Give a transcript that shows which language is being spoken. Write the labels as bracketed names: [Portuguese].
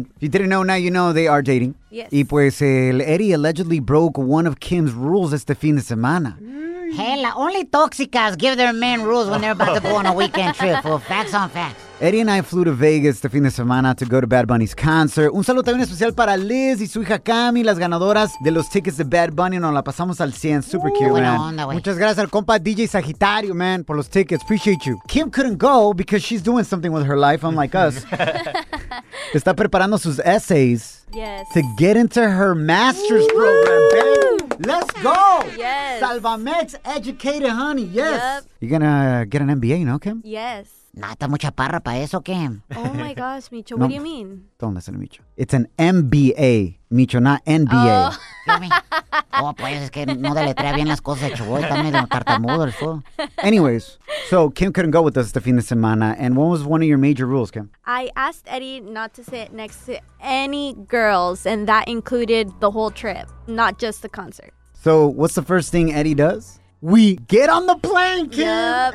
[English] Yeah. If you didn't know, now you know they are dating. Yes. [Spanish] Y pues [English] Eddie allegedly broke one of Kim's rules [Spanish] este fin de semana. [English] Hella, only toxicas give their men rules when they're about to go on a weekend trip. Well, facts on facts. Eddie and I flew to Vegas the [Spanish] fin de semana [English] to go to Bad Bunny's concert. [Spanish] Un saludo también especial para Liz y su hija Cami, las ganadoras de los tickets de Bad Bunny. Nos la pasamos al 100. [English] Super cute, [Spanish] buena [English] man. [Spanish] Onda, wey. Muchas gracias al compa DJ Sagitario, man, por los tickets. [English] Appreciate you. Kim couldn't go because she's doing something with her life, unlike us. [Spanish] Está preparando sus essays [English] yes. to get into her master's Woo! Program, babe. Let's go. Yes. Salvamex educated, honey. Yes. Yep. You're going to get an MBA, no, Kim? Yes. [Spanish] Nah, está mucha parra para eso, Kim. [English] Oh, my gosh, Micho. What do you mean? Don't listen to Micho. It's an MBA, Micho, not NBA. [Spanish] Oh, pues es que no deletrea bien las cosas de Chubo. Está medio tartamudo el fútbol. [English] Anyways, so Kim couldn't go with us the [Spanish] fin de semana. [English] And what was one of your major rules, Kim? I asked Eddie not to sit next to any girls. And that included the whole trip, not just the concert. So what's the first thing Eddie does? We get on the plane, Kim, yep.